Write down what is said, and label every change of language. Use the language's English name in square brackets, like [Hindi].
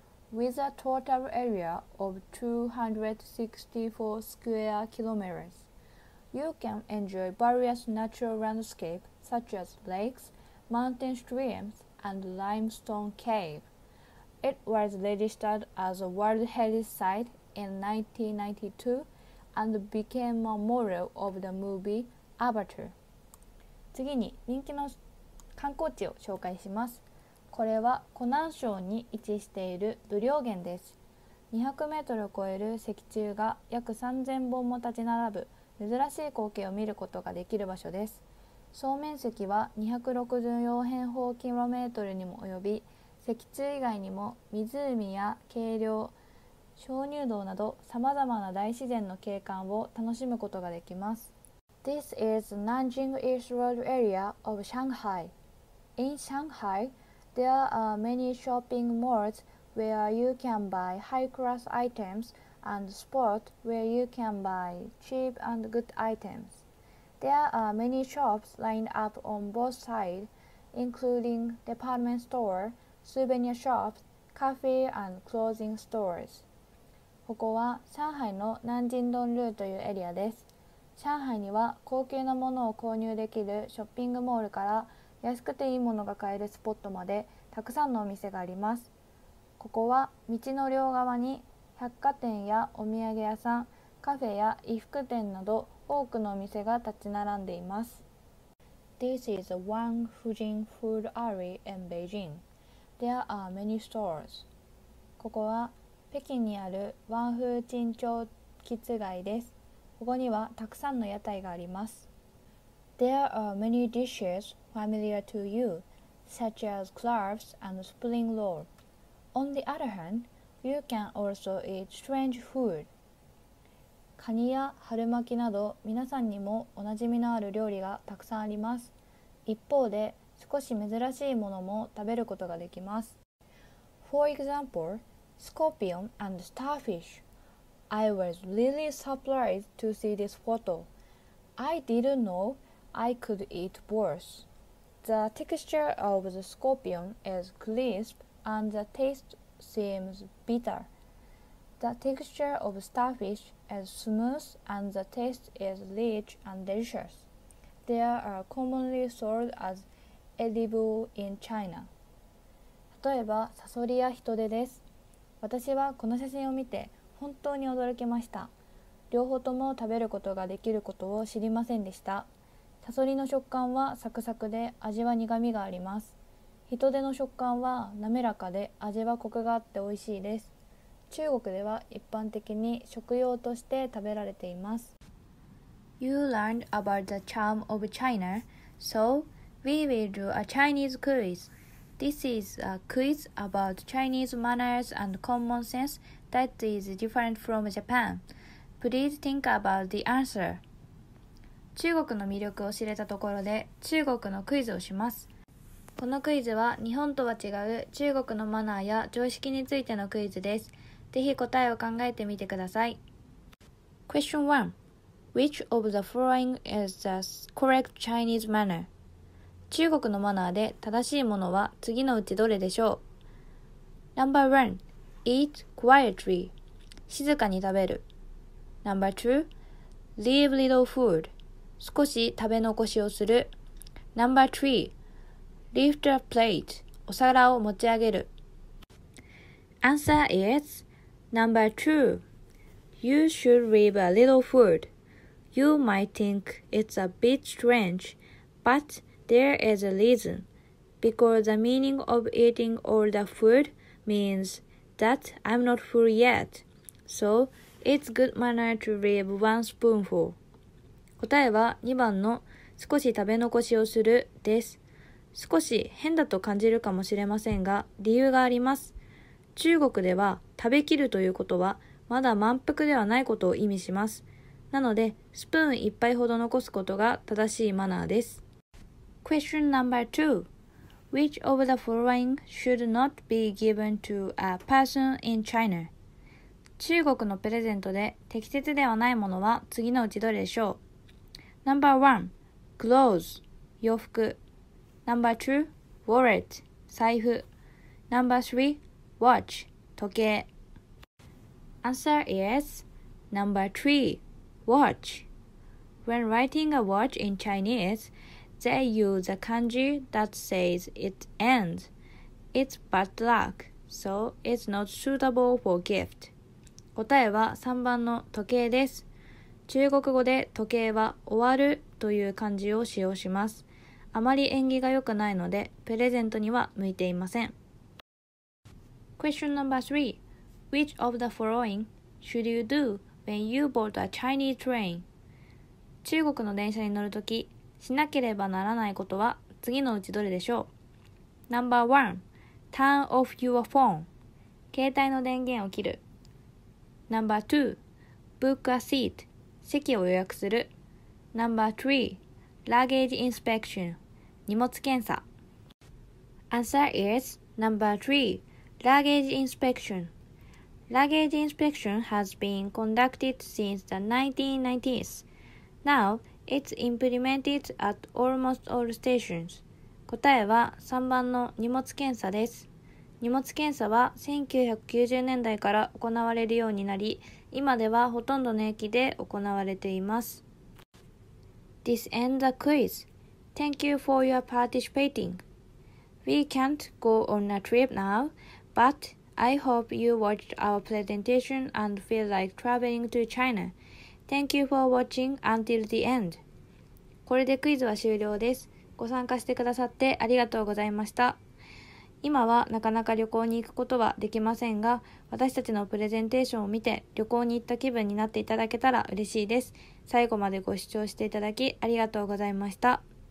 [English] With a total area of 264 square kilometers, you can enjoy various natural landscapes such as lakes, mountain streams, and limestone cave. It was registered as a World Heritage Site in 1992 and became a model of the movie Avatar. [Japanese] 次に人気の観光地を紹介します。これは湖南省に位置している武陵源です。 200メートルを超える石柱が約3000本も立ち並ぶ珍しい光景を見ることができる場所です。総面積は264平方キロメートルにも及び、石柱以外にも湖や渓流、鍾乳洞など様々な大自然の景観を楽しむことができます。 [English] This is Nanjing East Road area of Shanghai. In Shanghai,There are many shopping malls where you can buy high-class items and spots where you can buy cheap and good items. There are many shops lined up on both sides, including department store, souvenir shops, cafe and clothing stores. [Japanese] ここは上海の南京東路というエリアです。上海には高級なものを購入できるショッピングモールから安くていいものが買えるスポットまでたくさんのお店があります。ここは道の両側に百貨店やお土産屋さん、カフェや衣服店など多くのお店が立ち並んでいます。 [English] This is the Wang Fujin Food Alley in Beijing. There are many stores. [Japanese] ここは北京にあるワンフーチン町キッズ街です。ここにはたくさんの屋台があります。 [English] There are many dishes familiar to you, such as crabs and spring roll. On the other hand, you can also eat strange food. [Japanese] カニや春巻きなど皆さんにもおなじみのある料理がたくさんあります。一方で少し珍しいものも食べることができます。 [English] For example, scorpion and starfish. I was really surprised to see this photo. I didn't knowI could eat both. The texture of the scorpion is crisp and the taste seems bitter. The texture of starfish is smooth and the taste is rich and delicious. They are commonly sold as edible in China. [Japanese] 例えば、サソリやヒトデです。私はこの写真を見て本当に驚きました。両方とも食べることができることを知りませんでした。サソリの食感はサクサクで味は苦みがあります。ヒトデの食感は滑らかで味はコクがあって美味しいです。中国では一般的に食用として食べられています。 [English] You learned about the charm of China, so we will do a Chinese quiz. This is a quiz about Chinese manners and common sense that is different from Japan. Please think about the answer. [Japanese] 中国の魅力を知れたところで中国のクイズをします。このクイズは日本とは違う中国のマナーや常識についてのクイズです。ぜひ答えを考えてみてください。 [English] Question 1. Which of the following is the correct Chinese manner? [Japanese] 中国のマナーで正しいものは次のうちどれでしょう。 [English] Number 1. Eat quietly. [Japanese] 静かに食べる。 [English] Number 2. Leave little food. [Japanese] 少し食べ残しをする。 [English] Number 3. Lift a plate. [Japanese] お皿を持ち上げる。 [English] Answer is... Number 2. You should leave a little food. You might think it's a bit strange, but there is a reason. Because the meaning of eating all the food means that I'm not full yet. So, it's good manner to leave one spoonful. [Japanese] 答えは2番の少し食べ残しをするです。少し変だと感じるかもしれませんが、理由があります。中国では食べきるということはまだ満腹ではないことを意味します。なのでスプーン一杯ほど残すことが正しいマナーです。 [English] Question number 2. Which of the following should not be given to a person in China? [Japanese] 中国のプレゼントで適切ではないものは次のうちどれでしょう。 [English] Number 1. Clothes [Japanese] 洋服。 [English] Number 2. Wallet [Japanese] 財布。 [English] Number 3. Watch [Japanese] 時計。 [English] Answer is number 3. Watch. When writing a watch in Chinese, they use a kanji that says it ends. It's bad luck, so it's not suitable for gift. [Japanese] 答えは3番の時計です。中国語で時計は終わるという漢字を使用します。あまり縁起が良くないので、プレゼントには向いていません。 [English] Question number 3. Which of the following should you do when you board a Chinese train? [Japanese] 中国の電車に乗るとき、しなければならないことは次のうちどれでしょう。 [English] Number 1. Turn off your phone. [Japanese] 携帯の電源を切る。 [English] Number 2. Book a seat. [Japanese] 席を予約する。 [English] Number 3. Luggage inspection. [Japanese] 荷物検査。 [English] Answer is number 3. Luggage inspection. Luggage inspection has been conducted since the 1990s. Now, it's implemented at almost all stations. [Japanese] 答えは3番の荷物検査です。荷物検査は1990年代から行われるようになり、今ではほとんどの駅で行われています。 [English] This ends the quiz. Thank you for your participating. We can't go on a trip now. But I hope you watched our presentation and feel like traveling to China. Thank you for watching until the end. [Japanese] これでクイズは終了です。ご参加してくださってありがとうございました。今はなかなか旅行に行くことはできませんが、私たちのプレゼンテーションを見て旅行に行った気分になっていただけたら嬉しいです。最後までご視聴していただきありがとうございました。